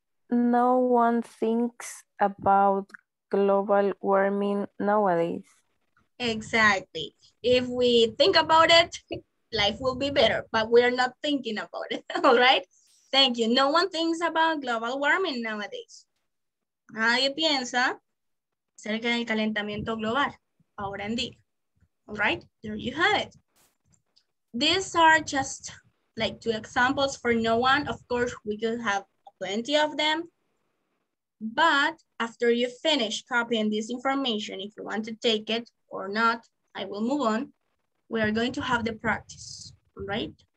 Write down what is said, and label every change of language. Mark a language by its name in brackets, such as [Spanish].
[English] No one thinks about global warming nowadays. Exactly. If we think about it, life will be better, but we're not thinking about it, all right? Thank you. No one thinks about global warming nowadays. [Spanish] Nadie piensa acerca del calentamiento global, ahora en día. [English] All right, there you have it. These are just like 2 examples for no one. Of course, we could have plenty of them, but after you finish copying this information, if you want to take it or not, I will move on. We are going to have the practice, right?